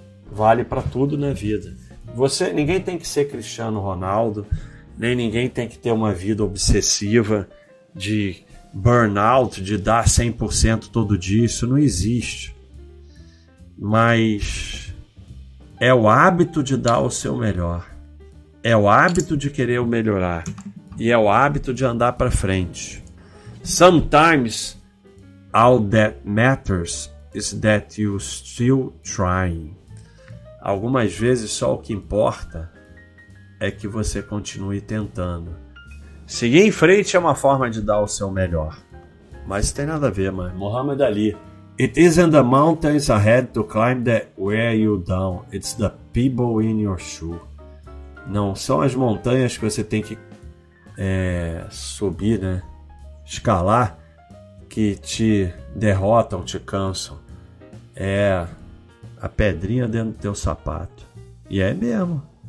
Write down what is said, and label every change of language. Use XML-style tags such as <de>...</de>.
<pt>Vale para tudo na vida. Ninguém tem que ser Cristiano Ronaldo, nem ninguém tem que ter uma vida obsessiva de burnout, de dar 100% todo dia. Isso não existe. Mas é o hábito de dar o seu melhor. É o hábito de querer melhorar. E é o hábito de andar para frente.</pt> <en>Sometimes all that matters is that you still trying.</en> <pt>Algumas vezes só o que importa é que você continue tentando. Seguir em frente é uma forma de dar o seu melhor. Mas não tem nada a ver, mas Muhammad Ali.</pt> <en>It isn't the mountains ahead to climb that wear you down. It's the people in your shoe.</en> <pt>Não são as montanhas que você tem que subir, né? Escalar, que te derrotam, te cansam. É a pedrinha dentro do teu sapato. E é mesmo.</pt>